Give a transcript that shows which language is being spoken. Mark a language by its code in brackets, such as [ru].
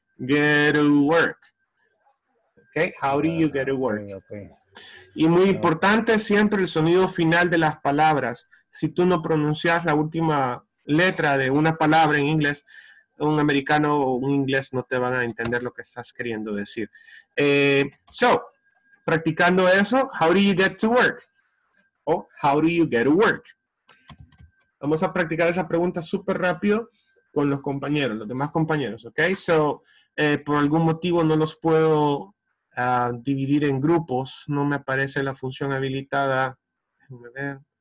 [en] Get to work. Okay, how do you get to work? [es] Okay. Y muy importante siempre el sonido final de las palabras. Si tú no pronuncias la última letra de una palabra en inglés, un americano o un inglés no te van a entender lo que estás queriendo decir. [en] So, [es] practicando eso, [en] how do you get to work? O how do you get to work? [es] Vamos a practicar esa pregunta súper rápido con los compañeros, los demás compañeros, ¿ok? So, por algún motivo no los puedo dividir en grupos, no me aparece la función habilitada. Déjenme ver.